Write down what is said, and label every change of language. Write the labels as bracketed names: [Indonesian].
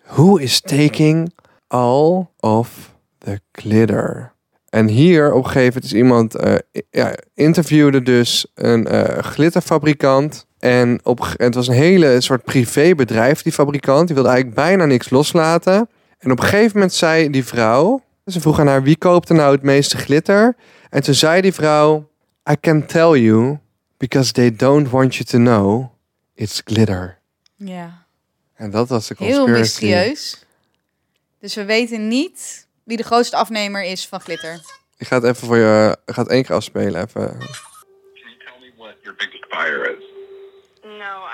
[English] Who is taking all of the glitter? [Dutch] En hier op een gegeven moment is iemand interviewde dus een glitterfabrikant. En het was een hele soort privébedrijf, die fabrikant. Die wilde eigenlijk bijna niks loslaten. En op een gegeven moment zei die vrouw... Ze vroeg aan haar, wie koopt er nou het meeste glitter? En toen zei die vrouw, [English] I can tell you, because they don't want you to know, it's glitter. [Dutch] Ja. En dat was de conspiracy. Heel mysterieus. Dus we weten niet wie de grootste afnemer is van glitter. Ik ga het even voor je... Ik ga het één keer afspelen, even. [English] Can you tell me what your biggest buyer is? No, I absolutely know that I can't.